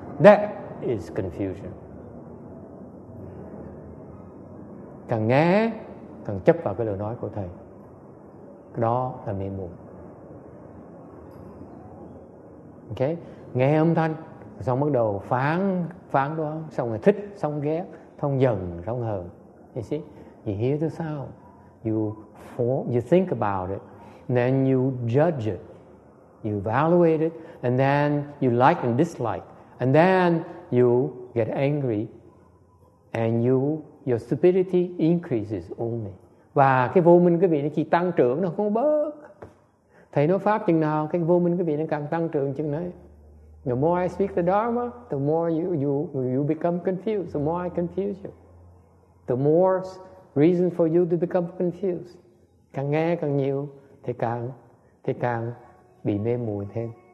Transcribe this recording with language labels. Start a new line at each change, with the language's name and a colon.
English: That is confusion.
Vietnamese: Càng nghe, càng chấp vào cái lời nói của thầy. Đó là mê muội. Okay? Nghe âm thanh, xong bắt đầu phán đó, xong rồi thích, xong ghét, xong giận, xong hờn.
English: You see? You hear the sound. You think about it. And then you judge it. You evaluate it. And then you like and dislike. And then you get angry. And your stupidity increases only.
Vietnamese: Và cái vô minh quý vị nó chỉ tăng trưởng, nó không bớt. Thầy nói pháp chừng nào, cái vô minh quý vị nó càng tăng trưởng chừng đấy.
English: The more I speak the Dharma, the more you become confused. The more I confuse you. The more reason for you to become confused.
Vietnamese: Càng nghe càng nhiều, thì càng bị mê muội thêm.